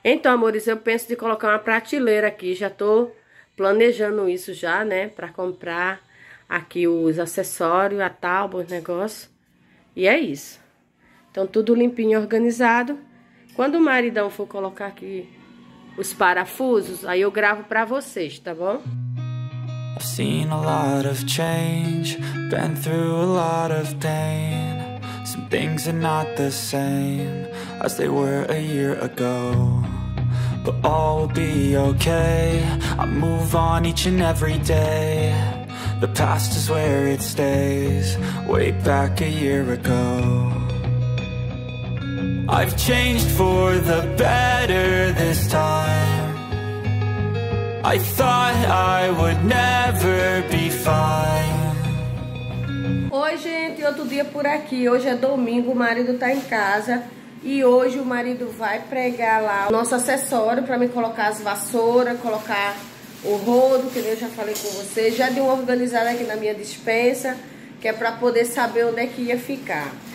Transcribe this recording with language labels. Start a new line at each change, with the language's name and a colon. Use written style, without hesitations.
Portuguese: Então, amores, eu penso de colocar uma prateleira aqui. Já tô planejando isso já, né? Pra comprar aqui os acessórios, a tábua, os negócios. E é isso. Então, tudo limpinho e organizado. Quando o maridão for colocar aqui os parafusos, aí eu gravo pra vocês, tá bom?
English: I've seen a lot of change, been through a lot of pain. Some things are not the same as they were a year ago, but all will be okay. I move on each and every day. The past is where it stays, way back a year ago. I've changed for the better this time. I thought I would never be fine.
Portuguese: Oi, gente, outro dia por aqui. Hoje é domingo, o marido tá em casa. E hoje o marido vai pregar lá o nosso acessório pra me colocar as vassouras, colocar o rodo, que eu já falei com vocês. Já dei uma organizada aqui na minha dispensa, que é pra poder saber onde é que ia ficar.